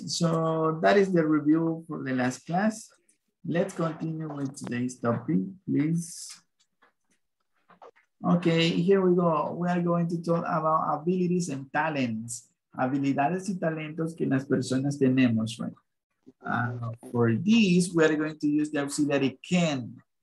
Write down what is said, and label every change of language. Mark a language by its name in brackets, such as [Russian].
[English] So that is the review for the last class. Let's continue with today's topic, please. Okay, here we go. We are going to talk about abilities and talents. [Spanish] Habilidades y talentos que las personas tenemos, [English] right? For this, we are going to use the auxiliary can.